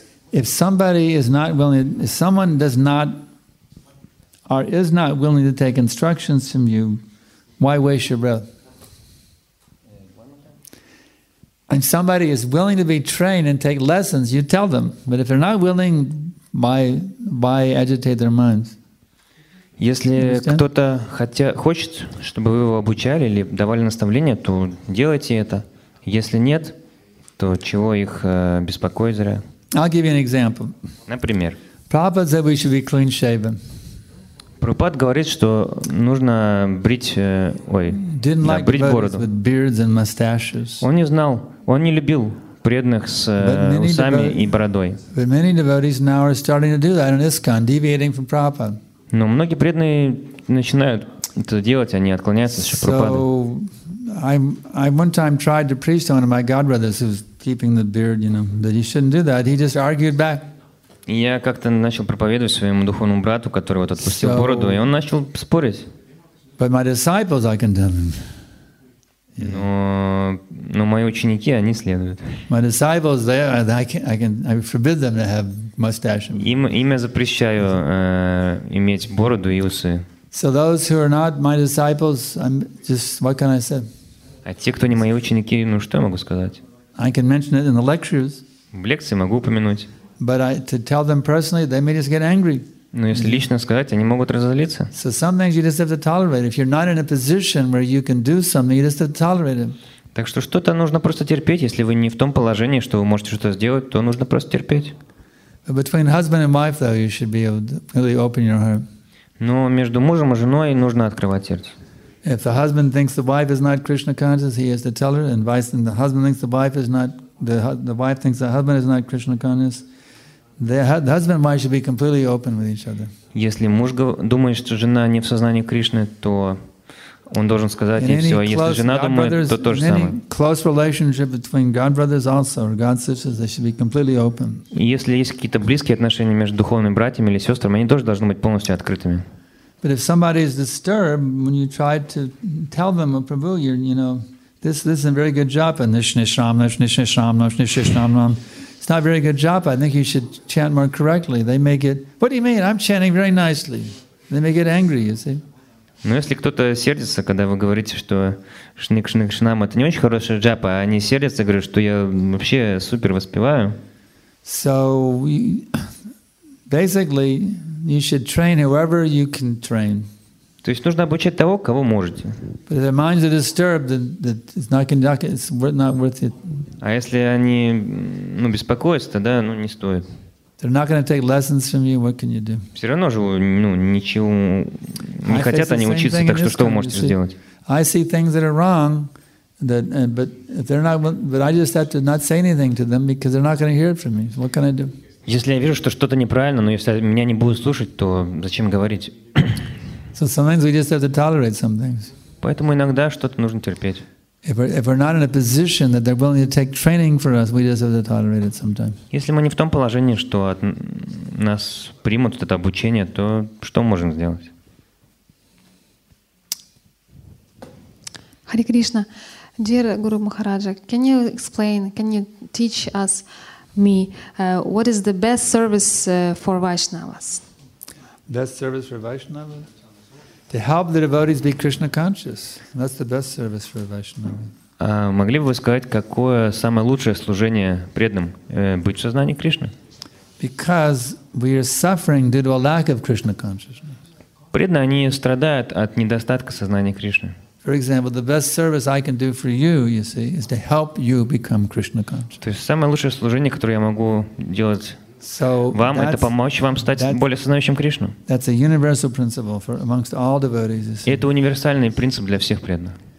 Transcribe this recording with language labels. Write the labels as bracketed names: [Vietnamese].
[English] If somebody is not willing to take instructions from you, why waste your breath? If somebody is willing to be trained and take lessons, you tell them. But if they're not willing, why agitate their minds? [Russian] Если кто-то хочет, чтобы вы его обучали или давали наставления, то делайте это. Если нет, то чего их беспокоить зря? [English] I'll give you an example. [Russian] Например. [English] Prabhupada said we should be clean shaven. [Russian] Прабхупад говорит, что нужно брить, брить бороду. [English] With beards and mustaches. [Russian] Он не знал, он не любил преданных с усами и бородой. [English] But many devotees now are starting to do that in ISKCON, deviating from Prabhupada. [Russian] Но многие преданные начинают это делать, они отклоняются от Шри Прабхупады. [English] So, I one time tried to preach to one of my godbrothers who was keeping the beard, you know, that he shouldn't do that. He just argued back. [Russian] И я как-то начал проповедовать своему духовному брату, который вот отпустил бороду, и он начал спорить. [English] But my disciples, I condemn him. [Russian] Но мои ученики, они следуют. [English] My disciples, I forbid them to have mustache. [Russian] Им я запрещаю иметь бороду и усы. [English] So those who are not my disciples, I'm just, what can I say? [Russian] А те, кто не мои ученики, ну что я могу сказать? [English] I can mention it in the lectures. [Russian] В лекции могу упомянуть. [English] But to tell them personally, they may just get angry. [Russian] Но если лично сказать, они могут разозлиться. [English] So some things you just have to tolerate. If you're not in a position where you can do something, you just have to tolerate it. [Russian] Так что что-то нужно просто терпеть. Если вы не в том положении, что вы можете что-то сделать, то нужно просто терпеть. [English] Between husband and wife, though, you should be able to really open your heart. [Russian] Но между мужем и женой нужно открывать сердце. [English] If the husband thinks the wife is not Krishna conscious, he has to tell her. And vice versa, the husband thinks the wife is not the wife thinks the husband is not Krishna conscious. The husband and wife should be completely open with each other. [Russian] Если муж думает, что жена не в сознании Кришны, то он должен сказать ей все. Если жена думает, то то же самое. [English] Close relationship between God brothers also or God sisters, they should be completely open. [Russian] Если есть какие-то близкие отношения между духовными братьями или сестрами, они тоже должны быть полностью открытыми. [English] But if somebody is disturbed when you try to tell them, oh, Prabhu, this isn't a very good japa. It's not a very good japa. I think you should chant more correctly. They may get, what do you mean? I'm chanting very nicely. They may get angry, you see. [Russian] Но если кто-то сердится, когда вы говорите, что шник-шник-шнам — это не очень хорошая джапа, а они сердятся, говорят, что я вообще супер воспеваю. [English] So basically, you should train whoever you can train. [Russian] То есть нужно обучать того, кого можете. [English] But if their minds are disturbed, that it's not conducted, it's not worth it. [Russian] А если они беспокоятся, тогда не стоит. [English] They're not going to take lessons from you. What can you do? [Russian] Все равно же ничего не хотят они учиться, так что вы можете сделать? [English] I see things that are wrong, but I just have to not say anything to them because they're not going to hear it from me. So what can I do? [Russian] Если я вижу, что что-то неправильно, но если меня не будут слушать, то зачем говорить? [English] So sometimes we just have to tolerate some things. [Russian] Поэтому иногда что-то нужно терпеть. [English] If we're not in a position that they're willing to take training for us, we just have to tolerate it sometimes. [Russian] Если мы не в том положении, что от нас примут это обучение, то что можем сделать? [English] Hare Krishna, dear Guru Maharaja, can you explain? Can you teach us, me, what is the best service for Vaishnavas? Best service for Vaishnavas? To help the devotees be Krishna conscious. That's the best service for a Vaishnava. [Russian] Могли бы вы сказать, какое самое лучшее служение преданным? Быть в сознании Кришны? [English] Because we are suffering due to a lack of Krishna consciousness. [Russian] Преданные, они страдают от недостатка сознания Кришны. [English] For example, the best service I can do for you, you see, is to help you become Krishna conscious. [Russian] То есть самое лучшее служение, которое я могу делать вам, это помочь вам стать более сознающим Кришну. [English] That's a universal principle for amongst all devotees. [Russian] Это универсальный принцип для всех преданных.